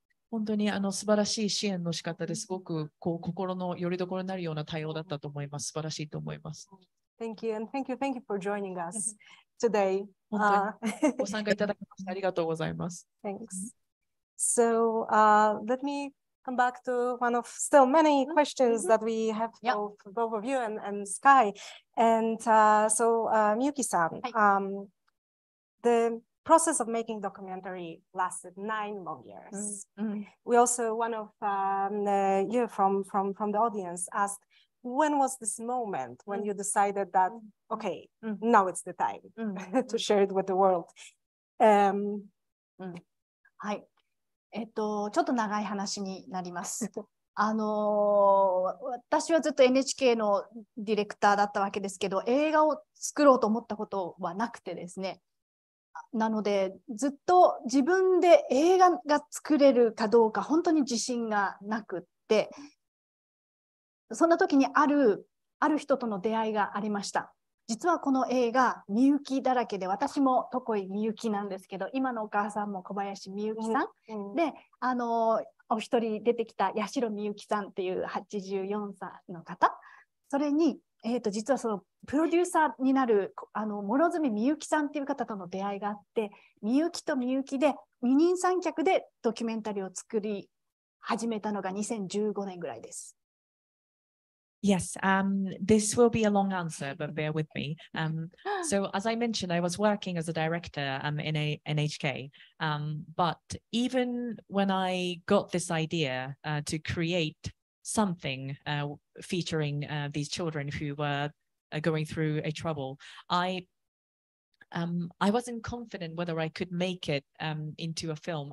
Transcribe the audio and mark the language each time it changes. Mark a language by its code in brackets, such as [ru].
[ja] 本当に素晴らしい支援の仕方ですごくこう心の拠り所になるような対応だったと思います。素晴らしいと思います。 [en] Thank you and thank you for joining us today. [ja] 本当にご参加いただきましてありがとうございます。 [en] Thanks. So, let me come back to one of still many questions that we have for both of you and Sky. And so, Miyuki-san, the process of making documentary lasted 9 long years. We also, one of you from the audience asked, when was this moment when you decided that, okay, now it's the time to share it with the world? [ja] はい。ちょっと長い話になります。私はずっと NHK のディレクターだったわけですけど、映画を作ろうと思ったことはなくてですね。なのでずっと自分で映画が作れるかどうか本当に自信がなくって、そんな時にあるある人との出会いがありました。実はこの映画みゆきだらけで、私もトコイみゆきなんですけど、今のお母さんも小林みゆきさん、うんうん、で、お一人出てきた八代みゆきさんっていう84歳の方、それに、実はそのプロデューサーになる諸角みゆきさんっていう方との出会いがあって、みゆきとみゆきで二人三脚でドキュメンタリーを作り始めたのが2015年ぐらいです。 [en] Yes, this will be a long answer, but bear with me. So as I mentioned, I was working as a director in NHK. But even when I got this idea to create something featuring these children who were going through a trouble, I wasn't confident whether I could make it into a film.